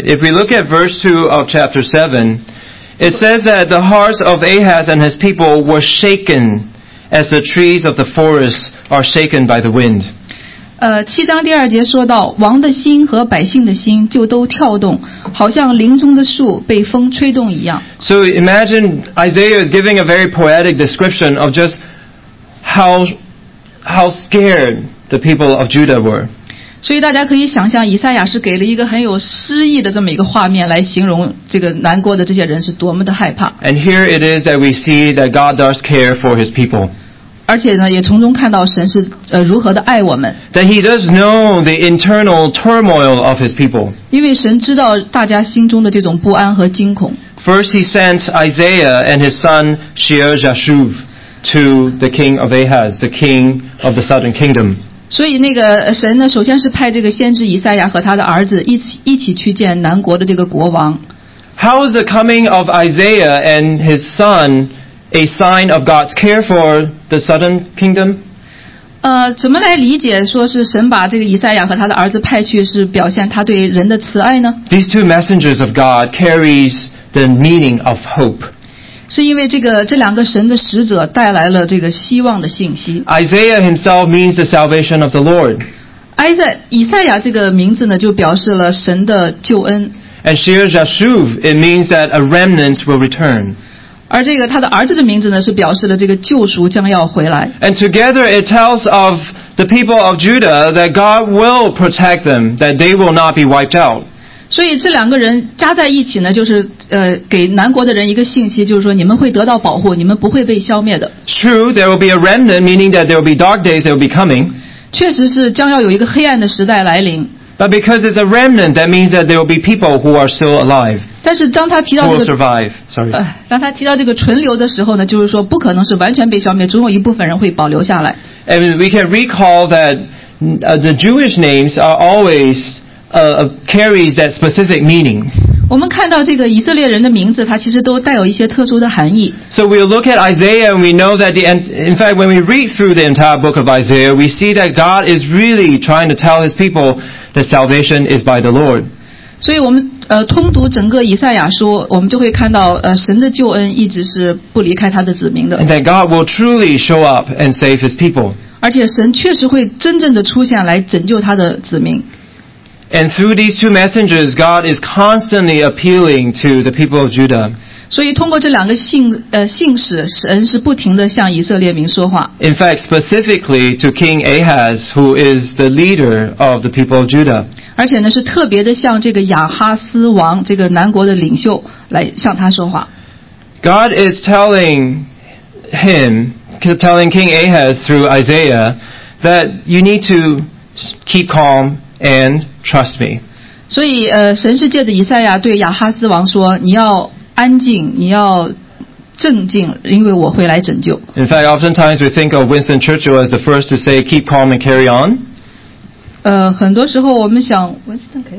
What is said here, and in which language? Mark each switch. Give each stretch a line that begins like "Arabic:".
English: If we look at verse 2 of chapter 7, it says that the hearts of Ahaz and his people were shaken as the trees of the forest are shaken by the wind.
Chinese: 七章第二节说到，王的心和百姓的心就都跳动，好像林中的树被风吹动一样。
English: So imagine Isaiah is giving a very poetic description of just how scared the people of Judah were.
Chinese: 所以大家可以想象，以赛亚是给了一个很有诗意的这么一个画面来形容这个难过的这些人是多么的害怕。
English: And here it is that we see that God does care for His people.
Chinese: 而且呢，也从中看到神是如何的爱我们。
English: That he does know the internal turmoil of his people.
Chinese: 因为神知道大家心中的这种不安和惊恐。
English: First he sent Isaiah and his son Sheer-Jashub to the king of Ahaz, the king of the southern kingdom.
Chinese: 所以那个神呢，首先是派这个先知以赛亚和他的儿子一起去见南国的这个国王。
English: How is the coming of Isaiah and his son? A sign of God's care for the southern kingdom.
Chinese: 怎么来理解说是神把这个以赛亚和他的儿子派去是表现他对人的慈爱呢？
English: These two messengers of God carries the meaning of hope.
Chinese: 是因为这两个神的使者带来了这个希望的信息。
English: Isaiah himself means the salvation of the Lord.
Chinese: 以赛亚这个名字呢，就表示了神的救恩。
English: And Sheer-Jashub, it means that a remnant will return.
Chinese: 而这个他的儿子的名字呢，是表示了这个救赎将要回来。
English: And together it tells of the people of Judah that God will protect them, that they will not be wiped out.
Chinese: 所以这两个人加在一起呢，就是给南国的人一个信息，就是说你们会得到保护，你们不会被消灭的。
English: True, there will be a remnant, meaning that there will be dark days that will be coming.
Chinese: 确实是将要有一个黑暗的时代来临。
English: But because it's a remnant, that means that there will be people who are still alive.
Chinese: 但是当他提到这个
English: who will survive, sorry.
Chinese: 当他提到这个存留的时候呢，就是说不可能是完全被消灭，总有一部分人会保留下来。
English: And we can recall that the Jewish names are always carries that specific meaning.
Chinese: 我们看到这个以色列人的名字，它其实都带有一些特殊的含义。
English: So we look at Isaiah, and we know that in fact, when we read through the entire book of Isaiah, we see that God is really trying to tell His people. The salvation is by the Lord.
Chinese: 所以我们通读整个以赛亚书，我们就会看到神的救恩一直是不离开他的子民的。
English: And that God will truly show up and save His people.
Chinese: 而且神确实会真正的出现来拯救他的子民。
English: And through these two messengers, God is constantly appealing to the people of Judah.
Chinese: 所以通过这两个信使，神是不停的向以色列民说话。
English: In fact, specifically to King Ahaz, who is the leader of the people of Judah.
Chinese: 而且呢，是特别的向这个亚哈斯王，这个南国的领袖来向他说话。
English: God is telling him, telling King Ahaz through Isaiah, that you need to keep calm. And trust me.
Chinese: 所以神是借着以赛亚对亚哈斯王说，你要安静，你要镇静，因为我会来拯救。
English: In fact, oftentimes we think of Winston Churchill as the first to say, "Keep calm and carry on."
Chinese: 很多时候我们想 Winston 可以